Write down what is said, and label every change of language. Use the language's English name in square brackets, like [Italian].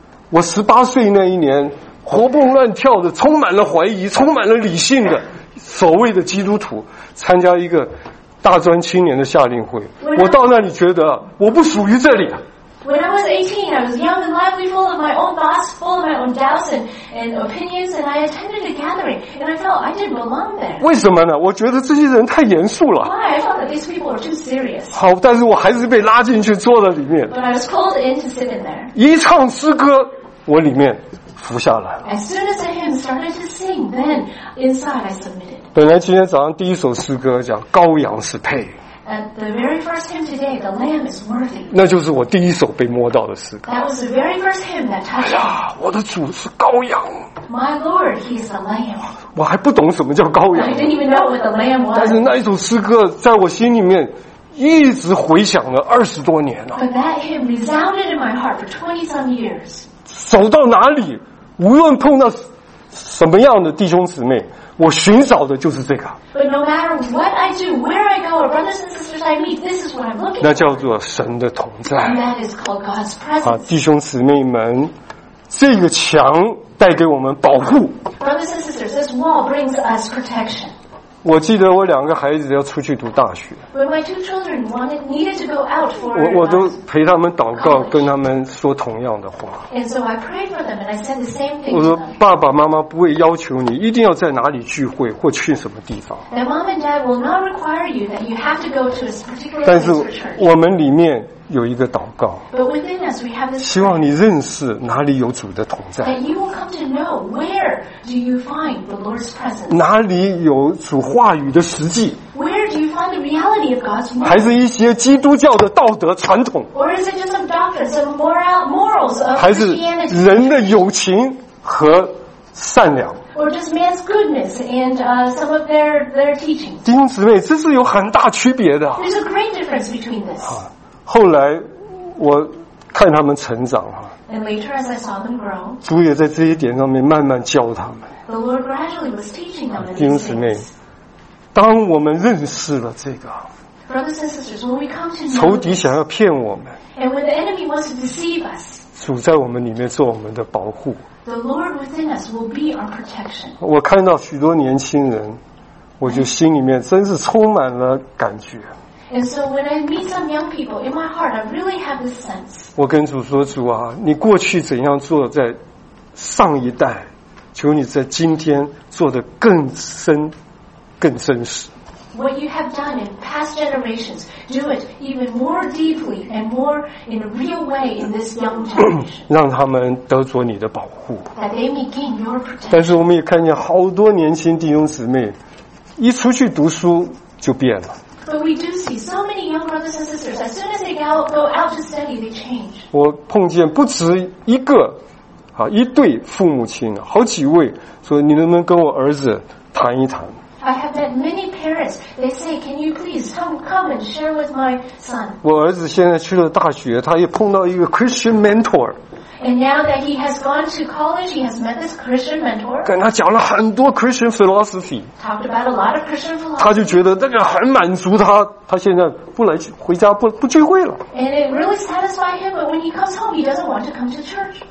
[Chinese] 我18岁那一年活蹦乱跳的，充满了怀疑，充满了理性的所谓的基督徒参加一个大专青年的夏令会，我到那里觉得我不属于这里。 [English] When I was 18, I was young and lively, full of my own thoughts, full of my own doubts and opinions, and I attended a gathering, and I felt I didn't belong there. [Chinese] 为什么呢？我觉得这些人太严肃了。 [English] Why? I thought that these people were too serious. [Chinese] 好，但是我还是被拉进去坐在里面。 [English] But I was called in to sit in there. [Chinese] 一唱诗歌，我里面服下来了。 [English] As soon as a hymn started to sing, then inside I submitted. [Chinese] 本来今天早上第一首诗歌讲羔羊是配。 [English] At the very first hymn today, the lamb is worthy. [Chinese] 那就是我第一首被摸到the诗歌。 [English] That was the very first hymn that touched. [Chinese] 哎呀，我的主是羔羊。 [English] My Lord, He's the lamb. [Chinese] 我还不懂什么叫羔羊。 [English] I didn't even know what the lamb was. [Chinese] 但是那一首诗歌在我心里面一直回响了20多年了。 [English] But that hymn resounded in my heart for 20-some years. [Chinese] 走到哪里，无论碰到什么样的弟兄姊妹，我寻找的就是这个。 [English] But no matter what I do, where I go, or brothers and sisters I meet, this is what I'm looking for. [Chinese] 那叫做神的同在。 [English] And that is called God's presence. [Chinese] 啊，弟兄姊妹们，这个墙带给我们保护。 [English] Brothers and sisters, this wall brings us protection. [Chinese] 我记得我两个孩子要出去读大学。 [English] When my two children needed to go out for. [Chinese] 我都陪他们祷告，跟他们说同样的话。 [English] And so I prayed for them and I said the same thing to them. [Chinese] 我说爸爸妈妈不会要求你一定要在哪里聚会或去什么地方。 [English] Now mom and dad will not require you that you have to go to a particular place for church. [Chinese] 但是我们里面有一个祷告。 [English] But within us we have this. [Chinese] 希望你认识哪里有主的同在。 [English] That you will come to know where do you find the Lord's presence. [Chinese] 哪里有主话语的实际。 [English] Where do you find the reality of God's word? [Chinese] 还是一些基督教的道德传统。 [English] Or is it just some doctrine, some morals of Christianity? [Chinese] 还是人的友情和善良。 [English] Or just man's goodness and some of their teachings. [Chinese] 弟兄姊妹，这是有很大区别的。 [English] There's a great difference between this. [Chinese] 后来我看他们成长啊， [English] And later as I saw them grow, [Chinese] 主也在这一点上面慢慢教他们。 [English] The Lord gradually was teaching them. [Chinese] 弟兄姊妹，当我们认识了这个， [English] Brothers and sisters, when we come to know, [Chinese] 仇敌想要骗我们， [English] And when the enemy wants to deceive us, [Chinese] 主在我们里面做我们的保护。 [English] The Lord within us will be our protection. [Chinese] 我看到许多年轻人，我就心里面真是充满了感觉。 [English] And so when I meet some young people, in my heart, I really have this sense. [Chinese] 我跟主说，主啊，你过去怎样做在上一代，求你在今天做得更深、更真实。 [English] And What you have done in past generations, do it even more deeply and more in a real way in this young generation. [Chinese] 让他们得着你的保护。 [English] That they may gain your protection. [Chinese] 但是我们也看见好多年轻弟兄姊妹，一出去读书就变了。 [English] But we do see so many young brothers and sisters. As soon as they go out to study, they change. [Chinese] 我碰见不止一个，啊，一对父母亲，好几位说，你能不能跟我儿子谈一谈 [English] ？I have met many parents. They say, "Can you please come and share with my son?" [Chinese] 我儿子现在去了大学，他也碰到一个 [English] Christian mentor. And now that he has gone to college, he has met this Christian mentor. [Chinese] 跟他讲了很多 [English] Christian philosophy. Talked about a lot of Christian philosophy. [Chinese] 他就觉得这个很满足他，他现在不来回家不聚会了。 [English] And it really satisfied him, but when he comes home, he doesn't want to come to church.